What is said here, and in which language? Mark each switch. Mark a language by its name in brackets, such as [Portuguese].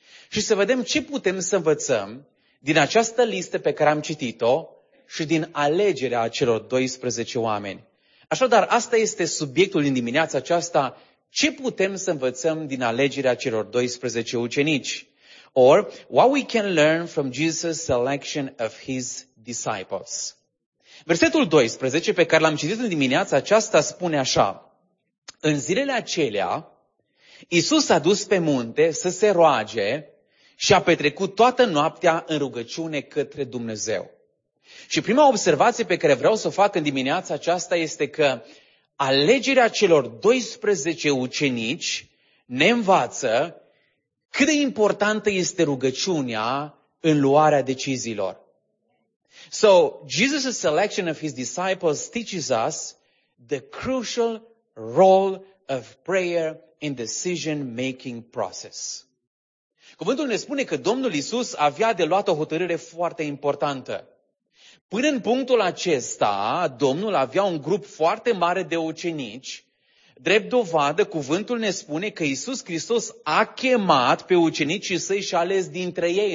[Romanian] Și să vedem ce putem să învățăm din această listă pe care am citit-o și din alegerea celor 12 oameni. Așadar, asta este subiectul din dimineața aceasta, ce putem să învățăm din alegerea celor 12 ucenici. [English] Or, what we can learn from Jesus' selection of his disciples. [Romanian] Versetul 12 pe care l-am citit în dimineața aceasta spune așa: în zilele acelea, Iisus s-a dus pe munte să se roage și a petrecut toată noaptea în rugăciune către Dumnezeu. Și prima observație pe care vreau să o fac în dimineața aceasta este că alegerea celor 12 ucenici ne învață cât de importantă este rugăciunea în luarea deciziilor. [English] So, Jesus' selection of his disciples teaches us the crucial role of prayer in decision-making process. [Romanian] Cuvântul ne spune că Domnul Iisus avea de luat o hotărâre foarte importantă. Până în punctul acesta, Domnul avea un grup foarte mare de ucenici, Drept dovadă, cuvântul ne spune că Iisus Hristos a chemat pe ucenicii săi și a ales dintre ei.